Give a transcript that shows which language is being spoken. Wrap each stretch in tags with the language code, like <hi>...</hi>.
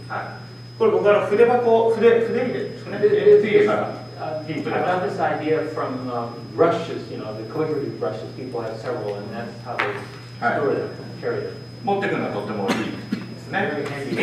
<ja>はい、これ僕は筆箱、筆入れですね。</ja> <en>I got this idea from brushes, you know, the calligraphy brushes. People have several and that's how they store them and carry them.</en> <ja>持ってくるのはとってもいい。</ja>